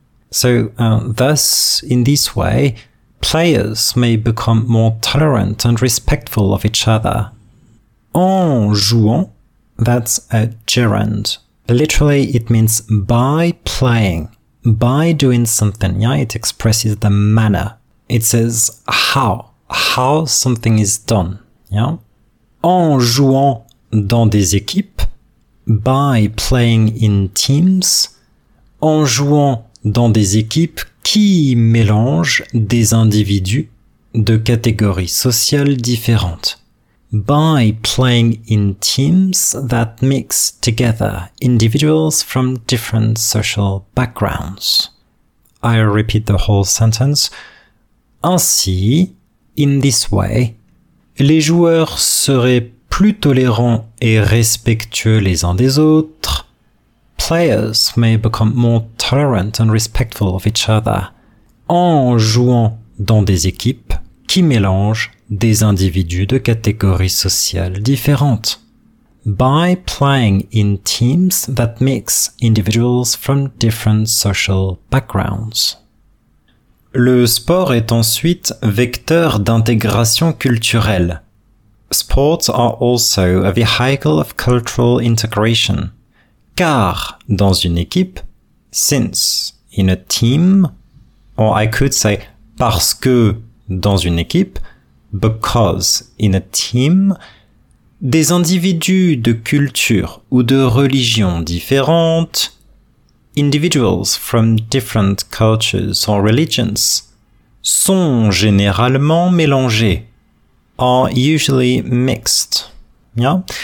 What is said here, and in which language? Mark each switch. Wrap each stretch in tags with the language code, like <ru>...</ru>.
<en>So, thus, in this way, players may become more tolerant and respectful of each other. En jouant, that's a gerund. Literally, it means by playing, by doing something, yeah, it expresses the manner. It says how something is done, yeah?</en> <fr>En jouant dans des équipes,</fr> <en>by playing in teams,</en> <fr>en jouant dans des équipes qui mélangent des individus de catégories sociales différentes.</fr> <en>By playing in teams that mix together individuals from different social backgrounds. I repeat the whole sentence.</en> <fr>Ainsi,</fr> <en>in this way,</en> <fr>les joueurs seraient plus tolérants et respectueux les uns des autres.</fr> <en>Players may become more tolerant and respectful of each other</en> <fr>en jouant dans des équipes qui mélangent des individus de catégories sociales différentes.</fr> <en>By playing in teams that mix individuals from different social backgrounds.</en> <fr>Le sport est ensuite vecteur d'intégration culturelle.</fr> <en>Sports are also a vehicle of cultural integration.</en> <fr>Car, dans une équipe,</fr> <en>since, in a team, or I could say,</en> <fr>parce que, dans une équipe,</fr> <en>because, in a team,</en> <fr>des individus de culture ou de religion différentes,</fr> <en>individuals from different cultures or religions,</en> <fr>sont généralement mélangés,</fr> <en>are usually mixed. Yeah?</en>